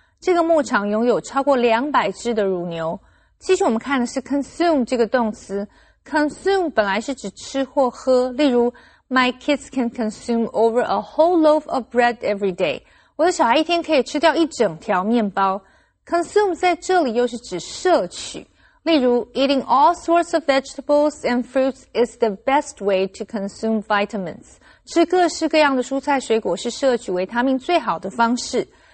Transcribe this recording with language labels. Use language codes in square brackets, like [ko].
[zh] 这个牧场拥有超过200只的乳牛。继续我们看的是 consume 这个动词。Consume 本来是指吃或喝，例如 [en] My kids can consume over a whole loaf of bread every day. [zh] 我的小孩一天可以吃掉一整条面包。 Consume 在这里又是指摄取。例如 [en] ,eating all sorts of vegetables and fruits is the best way to consume vitamins. [zh] 吃各式各样的蔬菜水果是摄取维他命最好的方式。